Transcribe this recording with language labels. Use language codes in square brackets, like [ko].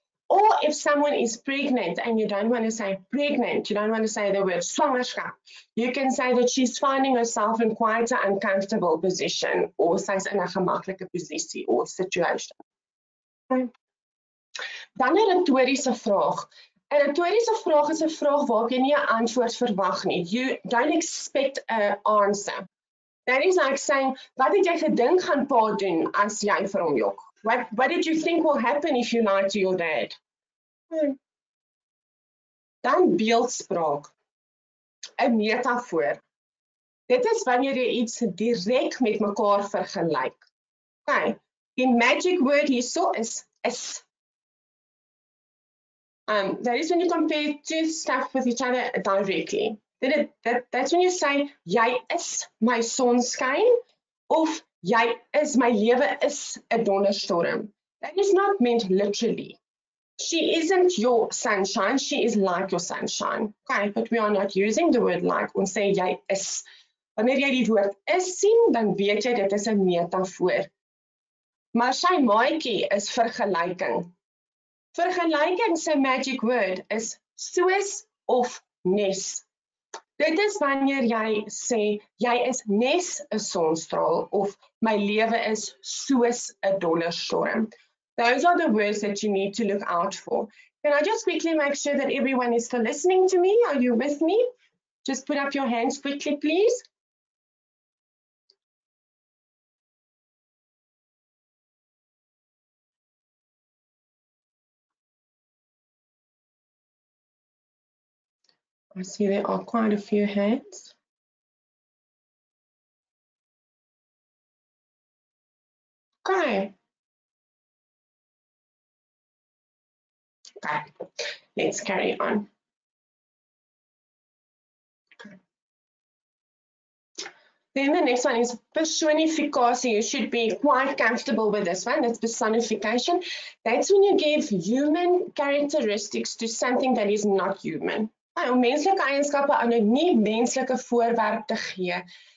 [en] Or if someone is pregnant and you don't want to say pregnant, you don't want to say the word swangerskap, you can say that she's finding herself in quite an uncomfortable position, or [af] sy is in 'n gemaklike posisie [en] or situation. [af] Okay. Dan 'n retoriese vraag. 'N retoriese vraag is 'n vraag waarop jy nie 'n antwoord verwag nie. [en] You don't expect an answer. That is like saying, [af] wat het jy gedink gaan pa doen as jy vir hom jok? [en] What did you think will happen if you lie to your dad? [af] Dan beeldspraak. 'N metafoor. Dit is wanneer jy iets direk met mekaar vergelyk. Okay, die [en] magic word [af] hierso is. [en] That is when you compare two stuff with each other directly. That's when you say, [af] jy is my sonskyn, of jy is my lewe is 'n donderstorm. [en] That is not meant literally. She isn't your sunshine, she is like your sunshine. Okay, but we are not using the word like, [af] ons sê jy is. Wanneer jy die woord is sien, dan weet jy dit is 'n metafoor. Maar sy maatjie is vergelyking. Vergelyking se [en] magic word [af] is soos of nes. Dit is wanneer jy sê, jy is nes 'n sonstraal, of my lewe is soos 'n donderstorm. [en] Those are the words that you need to look out for. Can I just quickly make sure that everyone is still listening to me? Are you with me? Just put up your hands quickly, please. I see there are quite a few hands. Okay. Okay, let's carry on. Then the next one is personificatie. You should be quite comfortable with this one. That's personification. That's when you give human characteristics to something that is not human. [af] Om menselijke eigenschappen aan een niet-menselijke voorwerp te geven.